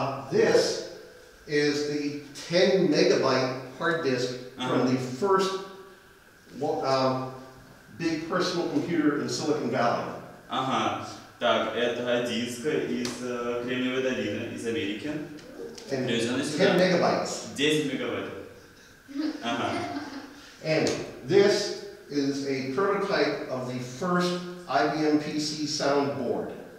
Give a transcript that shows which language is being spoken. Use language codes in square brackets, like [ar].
[en] This is the 10 megabyte hard disk from the first big personal computer in Silicon Valley. [ru] Так, это диск из Кремниевой долины, из Америки. [en] 10 megabytes. [ru] 10 мегабайт. [en] And this is a prototype of the first IBM PC soundboard.